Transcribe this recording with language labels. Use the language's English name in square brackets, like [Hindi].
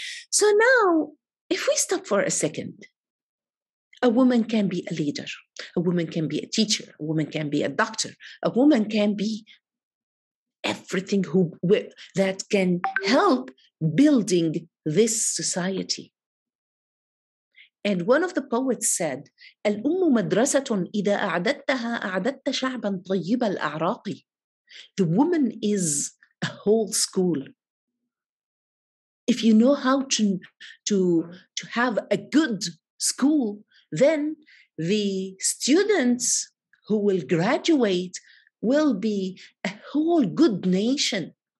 [English] So now, if we stop for a second, a woman can be a leader, a woman can be a teacher, a woman can be a doctor, a woman can be everything that can help building this society. And one of the poets said, [Arabic] الأم مدرسة إذا أعددتها أعددت شعبا طيب الأعراق. [English] The woman is a whole school. If you know how to have a good school, then the students who will graduate will be a whole good nation.